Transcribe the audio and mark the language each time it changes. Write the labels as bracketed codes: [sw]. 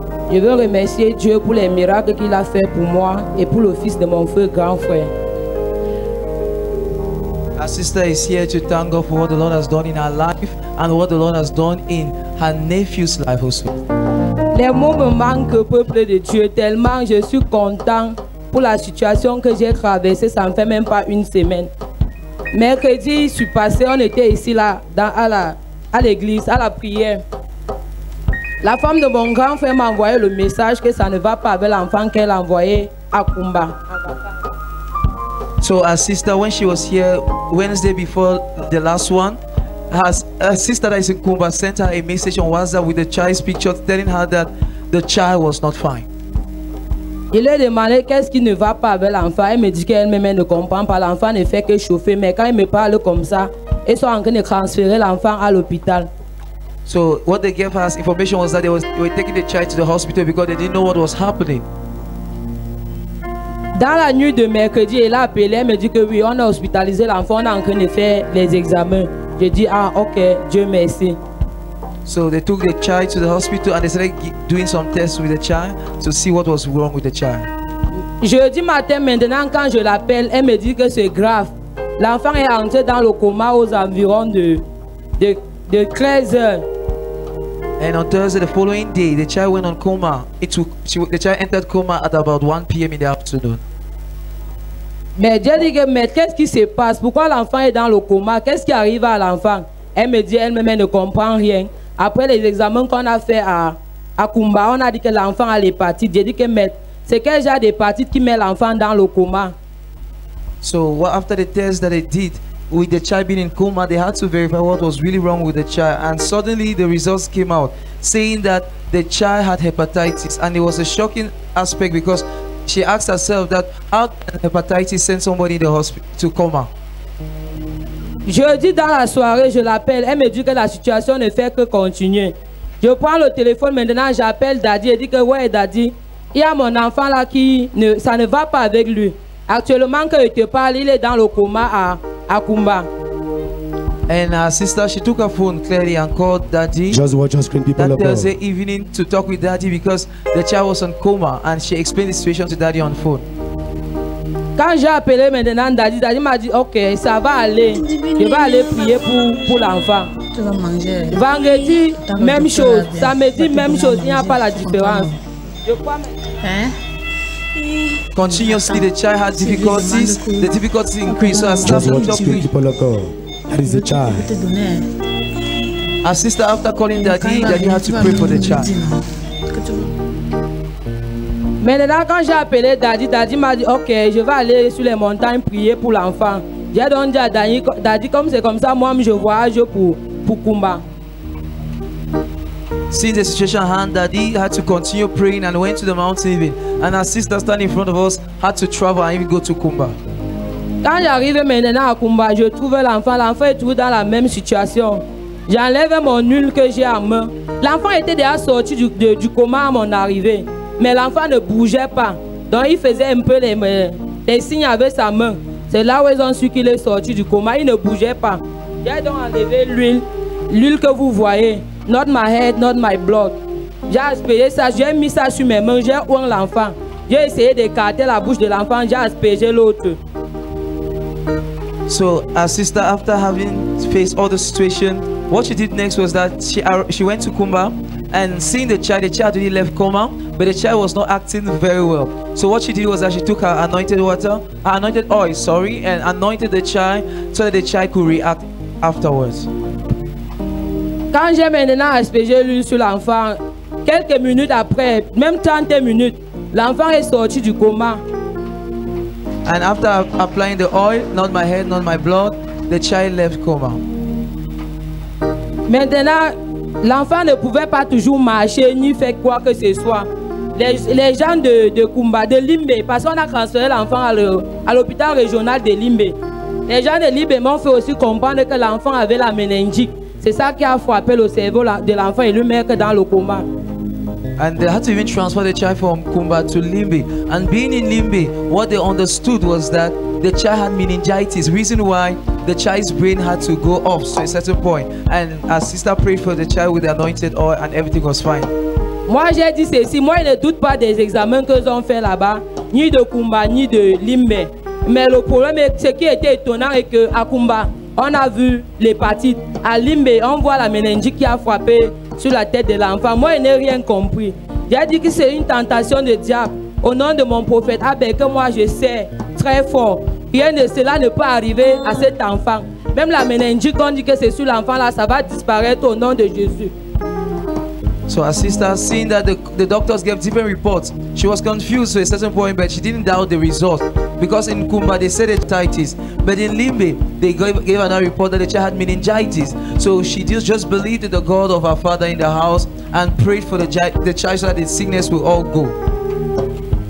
[fr] Je veux remercier Dieu pour les miracles qu'il a fait pour moi et pour le fils de mon frère, grand frère. [en] Her sister is here to thank God for what the Lord has done in her life and what the Lord has done in her nephew's life also. [fr] Les mots me manquent, peuple de Dieu, tellement je suis content pour la situation que j'ai traversée, ça ne fait même pas une semaine. Mercredi, je suis passé, on était ici là, à l'église, à la prière. La femme de mon grand frère m'a envoyé le message que ça ne va pas avec l'enfant qu'elle a envoyé à Kumba. [en] So her sister, when she was here Wednesday before the last one, her sister that is in Kumba sent her a message on WhatsApp with the child's picture telling her that the child was not fine. [fr] Je lui ai demandé qu'est-ce qui ne va pas avec l'enfant. Elle me dit qu'elle-même ne comprend pas. L'enfant ne fait que chauffer, mais quand elle me parle comme ça, ils sont en train de transférer l'enfant à l'hôpital. [en] So what they gave us information was that they were taking the child to the hospital because they didn't know what was happening. [fr] Dans la nuit de mercredi, elle a appelé, elle me dit que oui, on a hospitalisé l'enfant, on est en train de faire les examens. Je dis ah ok, Dieu merci. [en] So they took the child to the hospital and they started doing some tests with the child to see what was wrong with the child. [fr] Jeudi matin, maintenant quand je l'appelle, elle me dit que c'est grave. L'enfant est entré dans le coma aux environs de 13 heures. [en] And on Thursday, the following day, the child went on coma. The child entered coma at about 1 p.m. in the afternoon. [fr] Mais Dieu dit que mais qu'est-ce qui se passe? Pourquoi l'enfant est dans le coma? Qu'est-ce qui arrive à l'enfant? Elle me dit elle-même ne comprend rien. Après les examens qu'on a fait à Kumba, on a dit que l'enfant a l'hépatite. Dieu dit que mais c'est quel genre d'hépatite qui met l'enfant dans le coma? [en] So after the test that they did with the child being in coma, they had to verify what was really wrong with the child, and suddenly the results came out saying that the child had hepatitis. And it was a shocking aspect because she asked herself that how can hepatitis send somebody in the hospital to coma. [fr] Jeudi dans la soirée, je l'appelle, elle me dit que la situation ne fait que continuer. Je prends le téléphone maintenant, j'appelle Daddy et dit que ouais Daddy, il y a mon enfant là qui ne ça ne va pas avec lui. Actuellement que je te parle, il est dans le coma à Kumba. [en] And her sister, she took her phone clearly and called Daddy. Just watch your screen, people. That Thursday evening to talk with Daddy because the child was in coma, and she explained the situation to Daddy on phone. [fr] Quand j'ai appelé maintenant Daddy, Daddy m'a dit ok, ça va aller. Je vais aller prier pour l'enfant. Tu vas manger. Vendredi, même chose. Samedi, même chose. Il n'y a pas la différence. Je crois maintenant. [en] Continuously, the child has difficulties. The difficulties increase. So I start to speak to the God. That is the child. Our sister, after calling Daddy, Daddy has to pray for the child. [fr] Maintenant, quand j'ai appelé Daddy, Daddy m'a dit, ok, je vais aller sur les montagnes prier pour l'enfant. J'ai donc dit à Daddy, Daddy, comme c'est comme ça, moi, je voyage pour Kumba. [en] Seeing the situation at hand, Daddy had to continue praying and went to the mountain even. And our sister standing in front of us had to travel and even go to Kumba. [fr] Quand j'arrive maintenant à Kumba, je trouve l'enfant. L'enfant est toujours dans la même situation. J'enlève mon nul que j'ai en main. L'enfant était déjà sorti du coma à mon arrivée. Mais l'enfant ne bougeait pas. Donc il faisait un peu les signes avec sa main. C'est là où ils ont su qu'il est sorti du coma. Il ne bougeait pas. J'ai donc enlevé l'huile que vous voyez. [en] Not my head, not my blood. [fr] J'ai aspergé ça, j'ai mis ça sur mes mains, j'ai oint l'enfant. J'ai essayé d'écarter la bouche de l'enfant, j'ai aspergé l'autre. [en] So, our sister, after having faced all the situation, what she did next was that she went to Kumba and seeing the child really left coma, but the child was not acting very well. So what she did was that she took her anointed oil, and anointed the child so that the child could react afterwards. [fr] Quand j'ai maintenant aspergé l'huile sur l'enfant, quelques minutes après, même 30 minutes, l'enfant est sorti du coma. [en] And after applying the oil, not my head, not my blood, the child left coma. [fr] Maintenant, l'enfant ne pouvait pas toujours marcher ni faire quoi que ce soit. Les gens de Kumba, de Limbe, parce qu'on a transféré l'enfant à l'hôpital régional de Limbe. Les gens de Limbe m'ont fait aussi comprendre que l'enfant avait la méningite. C'est ça qui a frappé le cerveau de l'enfant et lui mettre dans le coma. [en] And they had to even transfer the child from Kumba to Limbe. And being in Limbe, what they understood was that the child had meningitis, reason why the child's brain had to go off to a certain point. And our sister prayed for the child with the anointed oil and everything was fine. [fr] Moi j'ai dit ceci, moi je ne doute pas des examens qu'ils ont fait là-bas, ni de Kumba, ni de Limbe. Mais le problème, ce qui était étonnant est qu'à Kumba, on a vu l'hépatite. À Limbe, on voit la méningite qui a frappé sur la tête de l'enfant. Moi, je n'ai rien compris. J'ai dit que c'est une tentation de diable. Au nom de mon prophète, Abel, que moi je sais très fort, rien de cela ne peut arriver à cet enfant. Même la méningite, on dit que c'est sur l'enfant là, ça va disparaître au nom de Jésus. [en] So her sister, seeing that the doctors gave different reports, she was confused to a certain point, but she didn't doubt the result. Because in Kumba, they said hepatitis, but in Limbe, they gave another report that the child had meningitis. So she just believed in the God of her father in the house and prayed for the child so that the sickness will all go.